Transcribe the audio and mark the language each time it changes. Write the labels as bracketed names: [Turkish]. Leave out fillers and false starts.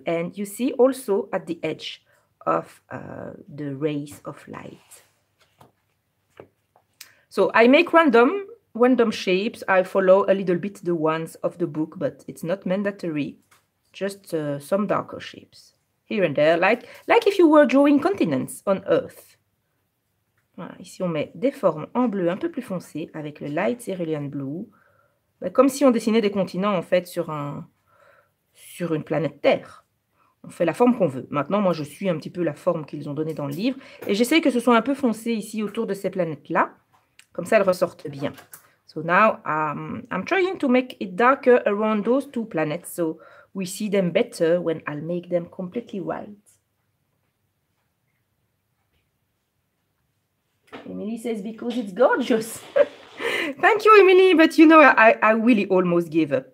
[English] And you see also at the edge of the rays of light. So I make random shapes. I follow a little bit the ones of the book, but it's not mandatory. Just some darker shapes here and there, like if you were drawing continents on Earth. [French] Voilà, ici, on met des formes en bleu un peu plus foncé avec le Light Cerulean Blue. Comme si on dessinait des continents, en fait, sur une planète Terre. On fait la forme qu'on veut. Maintenant, moi, je suis un petit peu la forme qu'ils ont donnée dans le livre. Et j'essaie que ce soit un peu foncé ici autour de ces planètes-là. Comme ça, elles ressortent bien. [English] So now, I'm trying to make it darker around those two planets. So we see them better when I'll make them completely white. Emily says, because it's gorgeous. Thank you, Emily, but you know, I really almost gave up.